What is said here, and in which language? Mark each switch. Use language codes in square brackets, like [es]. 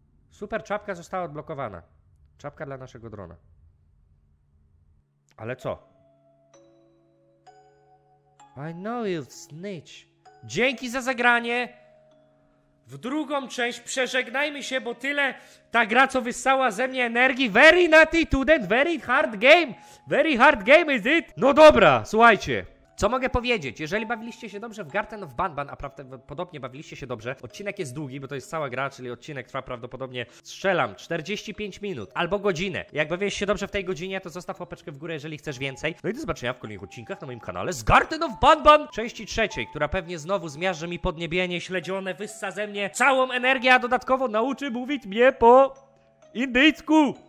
[pl] Super, czapka została odblokowana. Czapka dla naszego drona. Ale co? [en] I know you'll snitch. [pl] Dzięki za zagranie! w drugą część przeżegnajmy się, bo tyle ta gra, co wyssała ze mnie energii. [en] Very nutty student, very hard game. Very hard game, is it? [pl] No dobra, słuchajcie. Co mogę powiedzieć? Jeżeli bawiliście się dobrze w Garten of Banban, a prawdopodobnie bawiliście się dobrze, odcinek jest długi, bo to jest cała gra, czyli odcinek trwa prawdopodobnie, strzelam, 45 minut albo godzinę. Jak bawiłeś się dobrze w tej godzinie, to zostaw łapeczkę w górę, jeżeli chcesz więcej. No i do zobaczenia w kolejnych odcinkach na moim kanale z Garten of Banban części trzeciej, która pewnie znowu zmiażdży mi podniebienie śledzione, wyssa ze mnie całą energię, a dodatkowo nauczy mówić mnie po indyjsku.